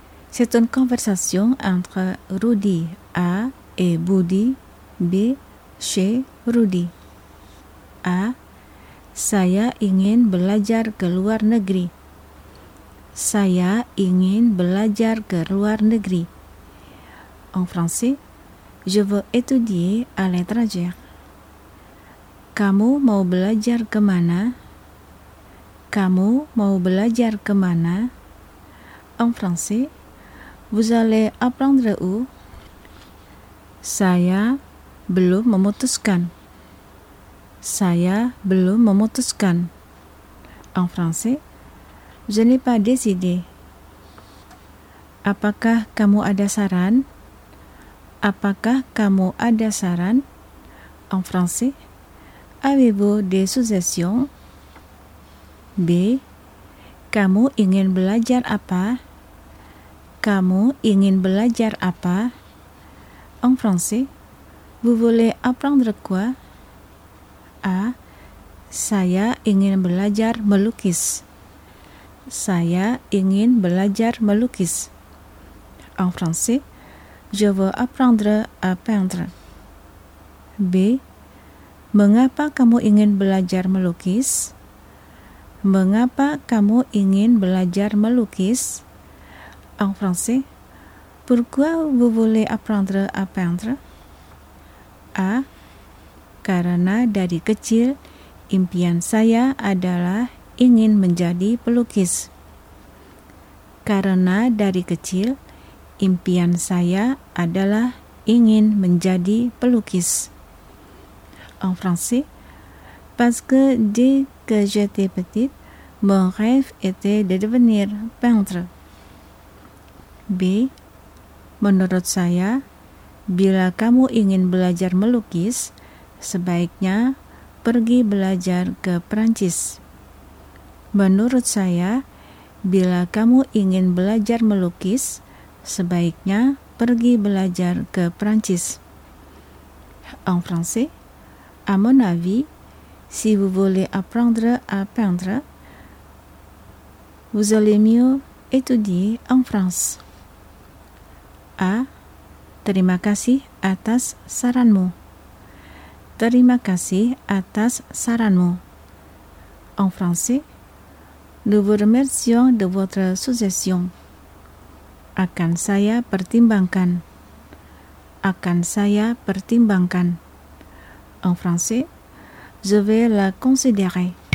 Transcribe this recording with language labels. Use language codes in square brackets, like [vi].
[fr] C'est une conversation entre Rudy A et Budi B chez Rudy. A. [id] Saya ingin belajar ke luar negeri. Saya ingin belajar ke luar negeri. [fr] En français, je veux étudier à l'étranger. [id] Kamu mau belajar ke mana? Kamu mau belajar ke mana? [fr] En français, vous allez apprendre où? [id] Saya belum memutuskan. Saya belum memutuskan. [fr] En français, je n'ai pas décidé. [id] Apakah kamu ada saran? Apakah kamu ada saran? [fr] En français, avez-vous des suggestions? B. [id] Kamu ingin belajar apa? Kamu ingin belajar apa? [fr] En français, vous voulez apprendre quoi? A. [id] Saya ingin belajar melukis. Saya ingin belajar melukis. [fr] En français, je veux apprendre à peindre. B. [id] Mengapa kamu ingin belajar melukis? Mengapa kamu ingin belajar melukis? [fr] En français, pourquoi vous voulez apprendre à peindre? A. [id] Karena dari kecil, impian saya adalah ingin menjadi pelukis. Karena dari kecil, impian saya adalah ingin menjadi pelukis. [fr] En français, parce que dès que j'étais petite, mon rêve était de devenir peintre. B. [id] Menurut saya, bila kamu ingin belajar melukis, sebaiknya pergi belajar ke Prancis. Menurut saya, bila kamu ingin belajar melukis, sebaiknya pergi belajar ke Prancis. [fr] En français, à mon avis, si vous voulez apprendre à peindre, vous allez mieux étudier en France. A. [id] Terima kasih atas saranmu. Terima kasih atas saranmu. [fr] En français, nous vous remercions de votre suggestion. [id] Akan saya pertimbangkan. Akan saya pertimbangkan. [fr] En français, je vais la considérer.